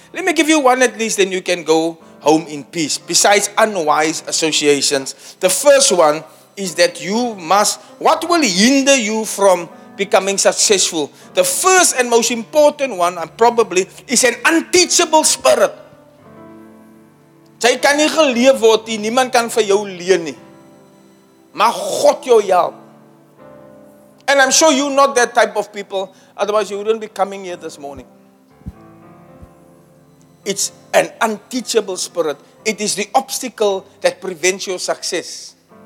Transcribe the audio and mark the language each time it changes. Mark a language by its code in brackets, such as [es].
[en] Let me give you one at least, then you can go home in peace. Besides unwise associations, the first one is that you must, what will hinder you from becoming successful? The first and most important one, and probably, is an unteachable spirit. [af] Jy kan nie geleef word nie, niemand kan vir jou leer nie. Mag God jou help. [en] And I'm sure you're not that type of people, otherwise you wouldn't be coming here this morning. It's an unteachable spirit. It is the obstacle that prevents your success.